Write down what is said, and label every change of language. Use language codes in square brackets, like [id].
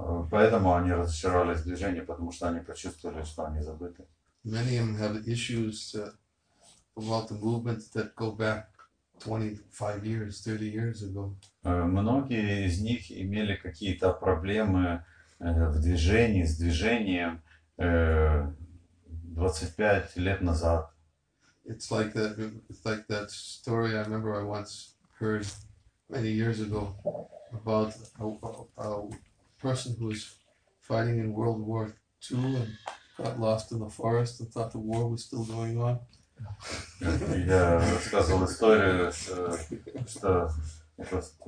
[ru] Поэтому они разочаровались в движении, потому что они почувствовали, что они забыты. [en] Many of them have issues about the movement that go back 25 years, 30 years ago. [ru] Многие из них имели какие-то проблемы в движении, с движением 25 лет назад. [en] It's like that story I remember I once heard many years ago about a person who was fighting in World War II and got lost in the forest and thought the war was still going on. [ru] Я рассказывал историю, что это